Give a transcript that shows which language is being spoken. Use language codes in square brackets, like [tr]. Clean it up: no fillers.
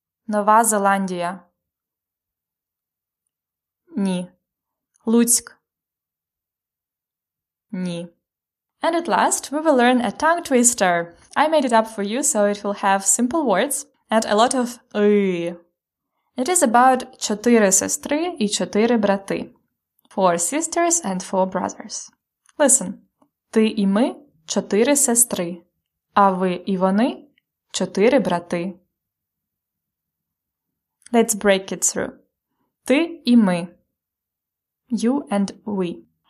[uk] Нова Зеландія. Ні. Луцьк. Ні. [en] And at last, we will learn a tongue twister. I made it up for you, so it will have simple words and a lot of «ой». It is about [uk] чотири сестри і чотири брати. [en] Four sisters and four brothers. Listen. [uk] Ти і ми – чотири сестри. А ви і вони – чотири брати. [en] Let's break it through. [uk] Ти і ми. [en] You and we.